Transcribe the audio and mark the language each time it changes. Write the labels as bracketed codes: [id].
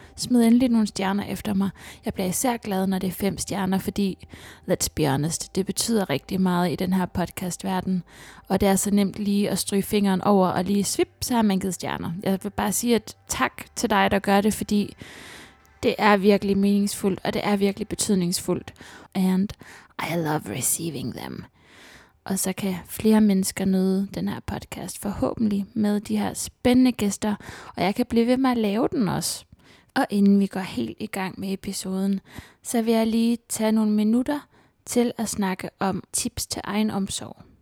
[da] Smid endelig nogle stjerner efter mig. Jeg bliver især glad, når det er 5 stjerner, fordi, [en] let's be honest, [da] det betyder rigtig meget i den her podcastverden. Og det er så nemt lige at stryge fingeren over og lige svip, så har man givet stjerner. Jeg vil bare sige at tak til dig, der gør det, fordi det er virkelig meningsfuldt, og det er virkelig betydningsfuldt. [en] And I love receiving them. [da] Og så kan flere mennesker nyde den her podcast, forhåbentlig med de her spændende gæster, og jeg kan blive ved med at lave den også. Og inden vi går helt i gang med episoden, så vil jeg lige tage nogle minutter til at snakke om tips til egen omsorg.